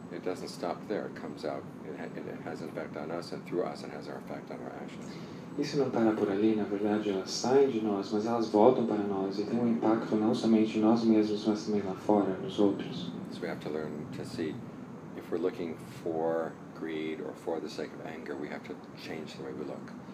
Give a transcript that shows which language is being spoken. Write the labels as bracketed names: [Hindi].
[English] It doesn't stop there, it comes out. It has an effect on us and through us and has our effect on our actions. [Portuguese] Isso não para por ali, na verdade, elas saem de nós, mas elas voltam para nós e têm um impacto não somente em nós mesmos, mas também lá fora, nos outros. [English] So we have to learn to see if we're looking for greed or for the sake of anger, we have to change the way we look.